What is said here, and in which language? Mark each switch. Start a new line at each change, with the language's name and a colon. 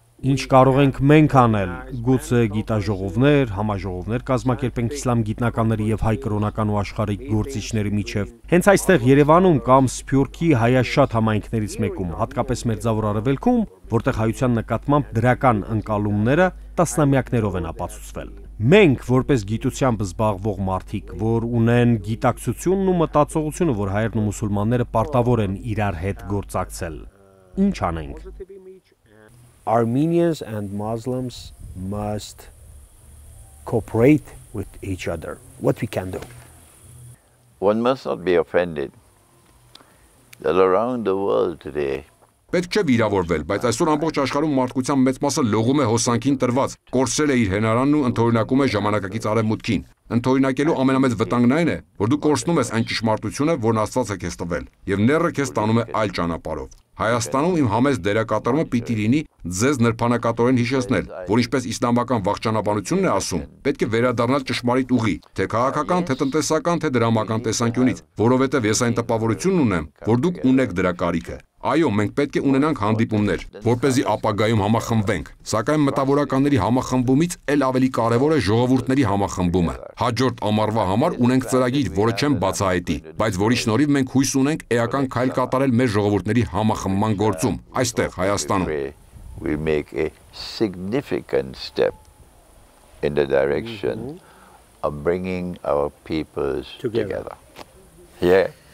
Armenian: ինչ կարող ենք մենք անել, գուցե գիտաժողովներ, համաժողովներ կազմակերպենք իսլամ գիտնականների եւ հայ կրոնական ու աշխարհի գործիչների միջև։ Հենց այստեղ Երևանում կամ Սփյուռքի հայաշատ համայնքներից մեկում, հատկապես մեր ձavor արևելքում, որտեղ հայության նկատմամբ դրական ընկալումները տասնամյակներով են ապացուցվել։ Մենք, որպես գիտությամբ զբաղվող մարդիկ, որ ունեն գիտակցությունն ու մտածողությունը, որ հայերն ու մուսուլմանները պարտավոր են իրար հետ գործակցել, ինչ անենք։
English: Armenians and Muslims must cooperate with each other. What we can do? One must not be offended that around the world today.
Armenian: Պետք չէ վիրավորվել, բայց այսօր ամբողջ աշխարհում մարդկության մեծ մասը լողում է հոսանքին տրված, կորցրել է իր հենարանն ու ընդօրինակում է ժամանակակից արևմուտքին։ Ընդօրինակելու ամենամեծ վտանգն այն է, որ դու կորցնում ես այն ճշմարտությունը, որն Աստված է քեզ տվել, եւ ները քեզ տանում է այլ ճանապարհով։ Հայաստանում իմ համեմատ դերակատարումը պիտի լինի ձեզ նրբանակատորեն հիշեցնել, որ ինչպես իսլամական վաղճանաբանությունն է ասում, պետք է վերադառնալ ճշմարիտ ուղի, թե քաղաքական, թե տնտեսական, թե դրամական տեսանկյունից, որովհետև ես այն տպավորությունն ունեմ, որ դուք ունեք դրա կարիքը։ Այո, մենք պետք է ունենանք հանդիպումներ, որպեսզի ապագայում համախմբվենք, սակայն մտավորականների համախմբումից էլ ավելի կարևոր է ժողովուրդների համախմբումը։ Հաջորդ ամառվա համար ունենք ծրագիր, որը չեմ բացահայտի, բայց որի շնորհիվ մենք հույս ունենք էական քայլ կատարել մեր ժողովուրդների համախմբման գործում այստեղ Հայաստանում։
English: We make a significant step in the direction of bringing our peoples together. Yeah.